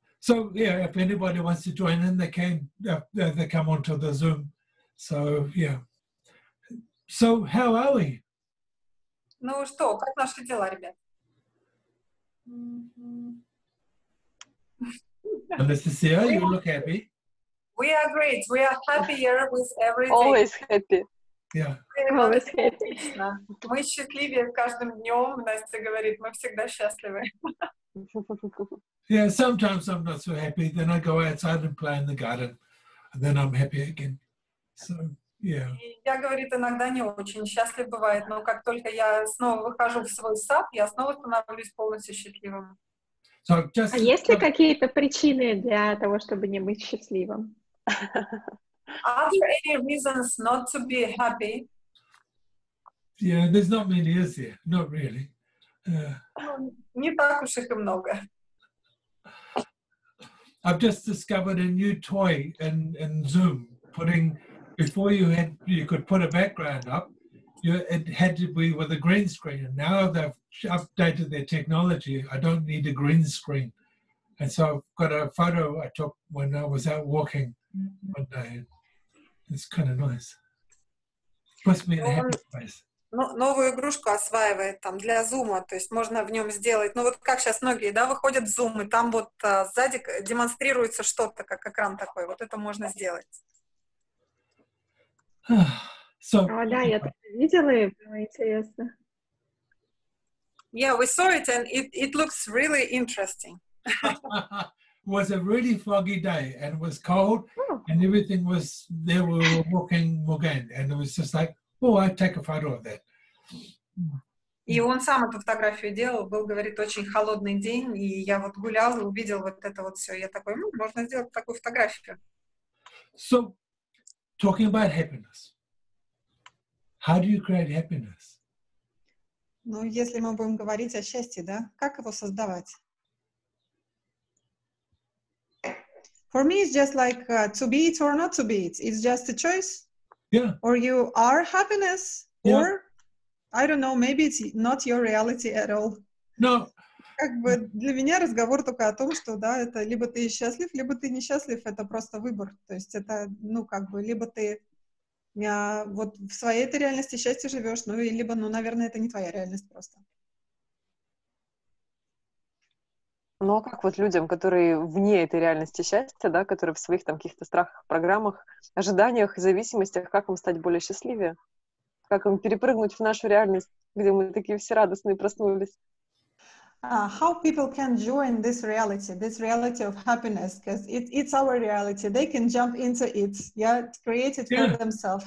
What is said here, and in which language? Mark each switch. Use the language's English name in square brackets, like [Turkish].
[English] So, yeah, if anybody wants to join in, they come onto the Zoom. So, yeah. So, how are we? [Russian] Ну что, как наши дела, ребят? [English] Анастасия, you look happy. We are great. We are happier with everything. Always happy. Yeah. Always happy. [Russian] Мы счастливее каждым днем, Настя говорит. Мы всегда счастливы. [English] Yeah, sometimes I'm not so happy. Then I go outside and play in the garden. And then I'm happy again. So... Yeah. [Russian] Я, говорит, иногда не очень счастлив бывает, но как только я снова выхожу в свой сад, я снова становлюсь полностью счастливым. [English] So just... [Russian] А есть ли какие-то причины для того, чтобы не быть счастливым? [English] Are there any reasons not to be happy? Yeah, there's not many, is there? Not really. [Russian] Не так уж их и много. [English] I've just discovered a new toy in Zoom, putting... Before you could put a background up, it had to be with a green screen. And now they've updated their technology. I don't need a green screen. And so I've got a photo I took when I was out walking one day. It's kind of nice. Puts me in a happy place. [Russian] Новую игрушку осваивает там для зума, то есть можно в нем сделать. Ну вот как сейчас многие, да, выходят в зум, и там вот сзади демонстрируется что-то, как экран такой. Вот это можно сделать. [English] So, [Russian] да, я так видела, было интересно. [English] Yeah, we saw it and it looks really interesting. It was a really foggy day and it was cold and everything was there. We were walking again and it was just like, oh, I'd take a photo of that. [Russian] И он сам эту фотографию делал. Был, говорит, очень холодный день, и я вот гулял и увидел вот это вот все. Я такой, можно сделать такую фотографию. [English] So. Talking about happiness. How do you create happiness? [Russian] Ну, если мы будем говорить о счастье, да? Как его создавать? [English] For me, it's just like to be it or not to be it. It's just a choice. Yeah. Or you are happiness, or I don't know, maybe it's not your reality at all. No. [Russian] Как бы для меня разговор только о том, что, да, это либо ты счастлив, либо ты несчастлив, это просто выбор. То есть это, ну, как бы, либо ты вот в своей этой реальности счастье живешь, ну, и либо, ну, наверное, это не твоя реальность просто. Ну, а как вот людям, которые вне этой реальности счастья, да, которые в своих там каких-то страхах, программах, ожиданиях, зависимостях, как им стать более счастливее? Как им перепрыгнуть в нашу реальность, где мы такие все радостные проснулись? [English] How people can join this reality of happiness, because it's our reality. They can jump into it, create it for themselves.